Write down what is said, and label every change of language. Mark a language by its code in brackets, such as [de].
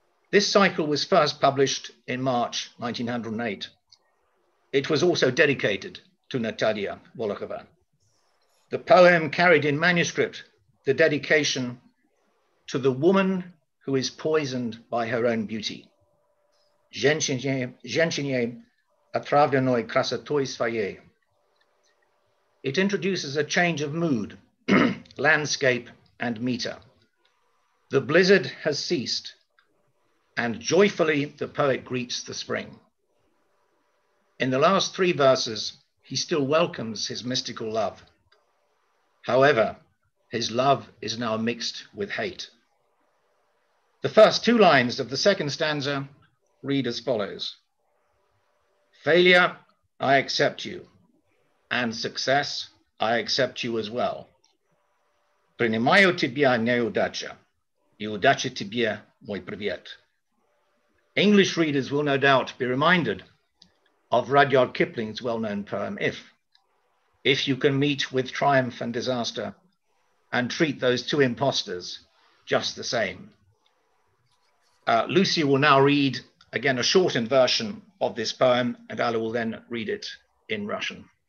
[en] This cycle was first published in March 1908. It was also dedicated to Natalia Volokhova. The poem carried in manuscript the dedication to the woman who is poisoned by her own beauty. [ru] Женщине отравленной красотой своей. [en] It introduces a change of mood, landscape, and meter. The blizzard has ceased, and joyfully the poet greets the spring. In the last three verses, he still welcomes his mystical love. However, his love is now mixed with hate. The first two lines of the second stanza read as follows. Failure, I accept you, and success, I accept you as well. [ru] Принимаю тебя неудача, и удача тебе мой привет. [en] English readers will no doubt be reminded of Rudyard Kipling's well-known poem, If you can meet with triumph and disaster and treat those two imposters just the same. Lucy will now read again a shortened version of this poem, and Alla will then read it in Russian.